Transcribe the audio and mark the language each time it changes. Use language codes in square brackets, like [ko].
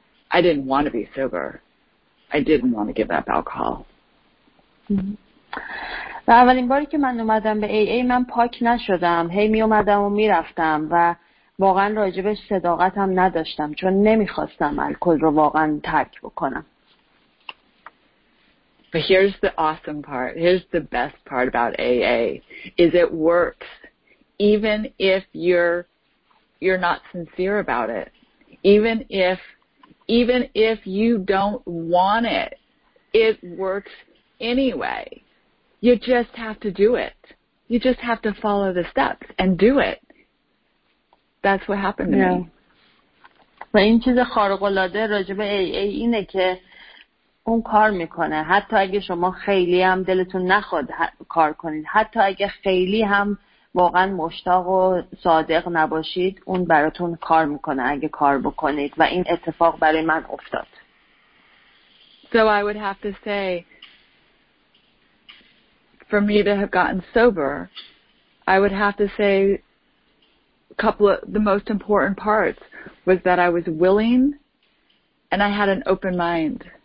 [en] I didn't want to be sober. I didn't want to give up alcohol. [fa] و اولین باری که من اومدم به AA من پاک نشدم. هی می اومدم و می رفتم و واقعا راجبش صداقتم نداشتم چون نمیخواستم الکل رو واقعا ترک بکنم. [en] But here's the awesome part. Here's the best part about AA is it works even if you're not sincere about it. Even if you don't want it, it works anyway. You just have to do it. You just have to follow the steps and do it. That's what happened to me. [fa] و این چیز خارق‌العاده راجبه AA اینه که اون کار میکنه. حتی اگه شما خیلی هم دلتون نخواد کار کنید. حتی اگه خیلی هم واقعا مشتاق و صادق نباشید. اون براتون کار میکنه اگه کار بکنید. و این اتفاق برای من افتاد. [en] So I would have to say, for me to have gotten sober, I would have to say a couple of the most important parts was that I was willing and I had an open mind.